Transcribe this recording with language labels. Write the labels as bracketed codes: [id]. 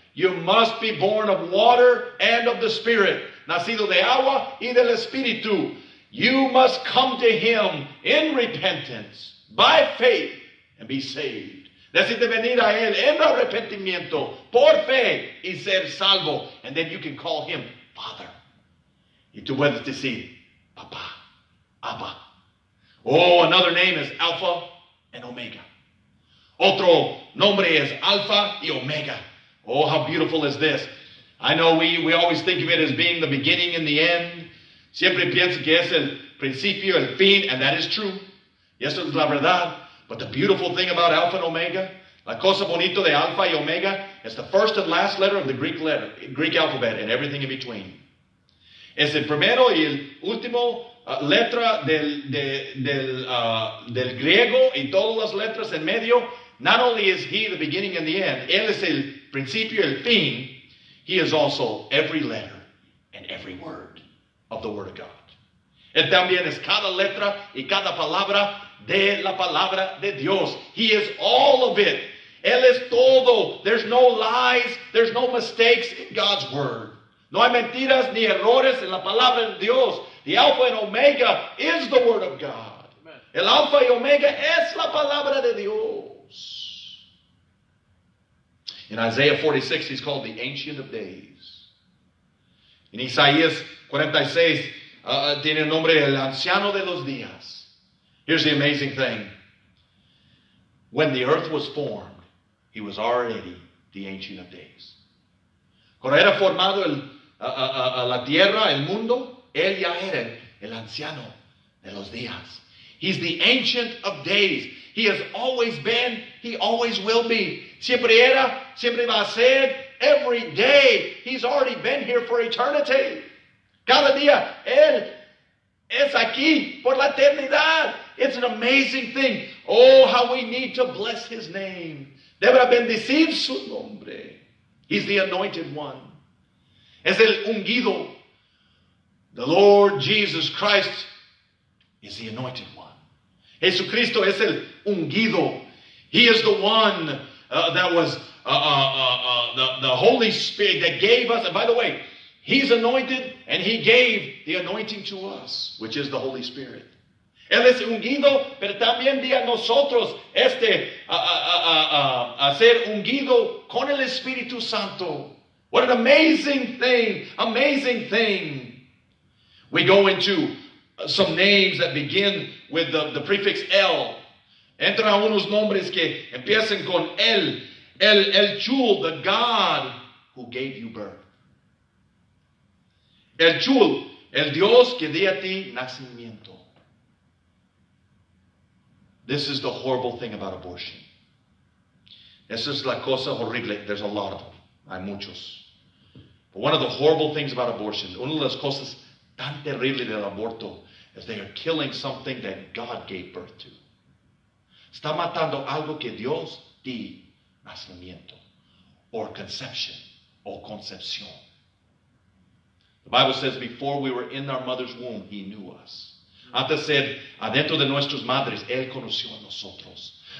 [en] You must be born of water and of the Spirit. [es] Nacido de agua y del Espíritu. [en] You must come to him in repentance, by faith, and be saved. [es] Necesitas venir a él en arrepentimiento, por fe, y ser salvo. [en] And then you can call him father. [es] Y tú puedes decir, papá, Abba. [en] Oh, another name is Alpha and Omega. [es] Otro nombre es Alpha y Omega. [en] Oh, how beautiful is this. I know we always think of it as being the beginning and the end. [es] Siempre pienso que es el principio, el fin, [en] and that is true. [es] Y eso es la verdad. [en] But the beautiful thing about Alpha and Omega, [es] la cosa bonito de Alpha y Omega, [en] is the first and last letter of the Greek alphabet and everything in between. [es] Es el primero y el último letra del griego y todas las letras en medio. [en] Not only is he the beginning and the end, [es] él es el principio, el fin. [en] He is also every letter and every word of the word of God. [es] Él también es cada letra y cada palabra de la palabra de Dios. [en] He is all of it. [es] Él es todo. [en] There's no lies. There's no mistakes in God's word. [es] No hay mentiras ni errores en la palabra de Dios. [en] The Alpha and Omega is the Word of God. Amen. [es] El Alpha y Omega es la palabra de Dios. [en] In Isaiah 46, he's called the Ancient of Days. [es] In Isaías 46, tiene el nombre el Anciano de los Días. [en] Here's the amazing thing. When the earth was formed, he was already the Ancient of Days. [es] Cuando era formado la tierra, el mundo, él ya era el Anciano de los Días. [en] He's the Ancient of Days. He has always been, he always will be. [es] Siempre era, siempre va a ser, [en] every day. He's already been here for eternity. [es] Cada día, él es aquí por la eternidad. [en] It's an amazing thing. Oh, how we need to bless his name. [es] Debra bendecir su nombre. [en] He's the anointed one. [es] Es el ungido. [en] The Lord Jesus Christ is the anointed one. [es] Jesucristo es el ungido. [en] He is the one that was the Holy Spirit that gave us. And by the way, he's anointed and he gave the anointing to us, which is the Holy Spirit. [es] Él es ungido, pero también di a nosotros este a ser ungido con el Espíritu Santo. [en] What an amazing thing, amazing thing. We go into some names that begin with the prefix El. [es] Entra unos nombres que empiezan con El. El Chul, [en] the God who gave you birth. [es] El Chul, el Dios que dio a ti nacimiento. [en] This is the horrible thing about abortion. [es] Esa es la cosa horrible. [en] There's a lot of them. [es] Hay muchos. [en] But one of the horrible things about abortion, [es] una de las cosas tan terribles del aborto, [en] is they are killing something that God gave birth to. [es] Está matando algo que Dios dio nacimiento, [en] or conception, or [es] concepción. [en] The Bible says, before we were in our mother's womb, he knew us. [es] Antes said, adentro de nuestras madres, Él conoció a nosotros.